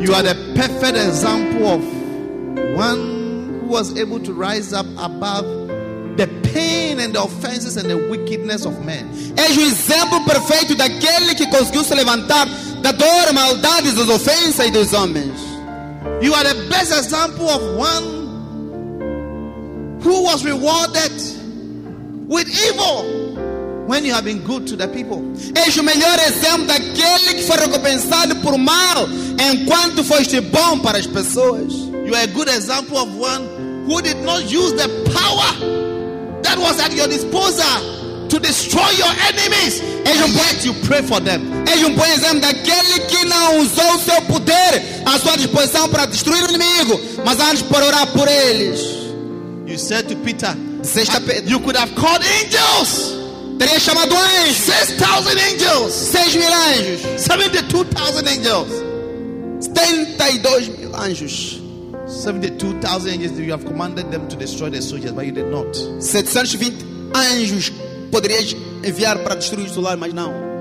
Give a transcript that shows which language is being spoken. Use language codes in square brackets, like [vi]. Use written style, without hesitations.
[en] you are the perfect example of one who was able to rise up above the pain and the offenses and the wickedness of men. [pt] És o exemplo perfeito daquele que conseguiu se levantar da dor, maldades, das ofensas dos homens. [en] You are the best example of one who was rewarded with evil when you have been good to the people. [pt] És o melhor exemplo daquele que foi recompensado por mal enquanto foste bom para as pessoas. [en] You are a good example of one who did not use the power that was at your disposal to destroy your enemies. [pt] És um bom exemplo, [en] you pray for them. [pt] És um bom exemplo daquele que não usou o seu poder à sua disposição para destruir o inimigo, mas antes para orar por eles. [en] You said to Peter, [pt] Pedro, [en] you could have called angels. [pt] Teria chamado anjos. [en] 6,000 angels. [pt] 6,000 anjos. [en] 72,000 angels. [pt] 72,000 anjos. [en] 72,000 angels. You have commanded them to destroy the soldiers, but you did not. [pt] 720 anjos poderias enviar para destruir o soldado, mas não.